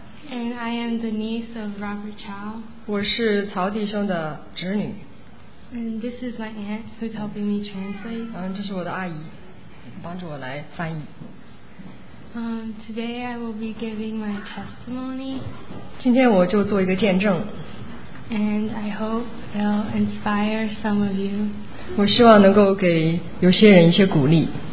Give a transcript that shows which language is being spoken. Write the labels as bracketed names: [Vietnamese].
[English] And I am the niece of Robert Chow. [Chinese] 我是曹弟兄的侄女。 [English] And this is my aunt who's helping me translate. [Chinese] 这是我的阿姨，帮助我来翻译。 [English] Today I will be giving my testimony. [Chinese] 今天我就做一个见证。 [English] And I hope it'll inspire some of you. [Chinese] 我希望能够给有些人一些鼓励。